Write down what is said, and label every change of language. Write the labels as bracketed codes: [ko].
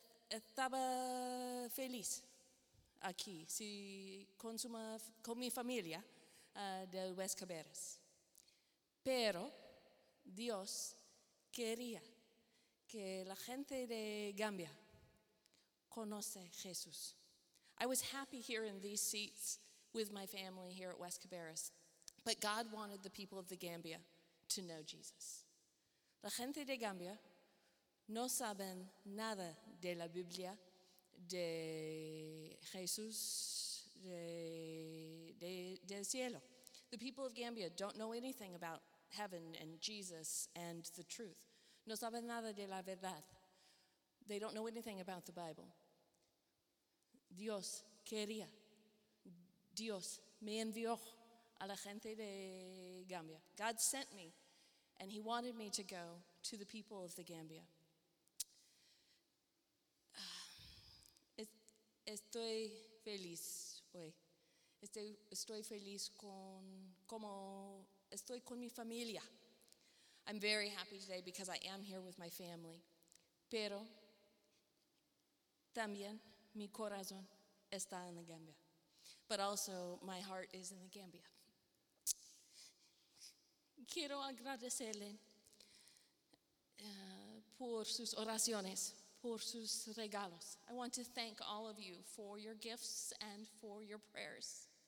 [es] Estaba feliz aquí, si consuma con mi familia del West Cabarrus. Pero Dios quería que la gente de Gambia conoce Jesús. [en] I was happy here in these seats with my family here at West Cabarrus, but God wanted the people of the Gambia to know Jesus. [es] La gente de Gambia no saben nada de la Biblia, de Jesús, del cielo. [en] The people of Gambia don't know anything about heaven and Jesus and the truth. [es] No saben nada de la verdad. [en] They don't know anything about the Bible. [es] Dios quería. Dios me envió a la gente de Gambia. [en] God sent me, and he wanted me to go to the people of the Gambia. [es] Estoy feliz hoy. Estoy feliz con como estoy con mi familia. [en] I'm very happy today because I am here with my family. [es] Pero también mi corazón está en la Gambia. [en] But also my heart is in the Gambia. [es] Quiero agradecerle por sus oraciones, por sus regalos. [en] I want to thank all of you for your gifts and for your prayers.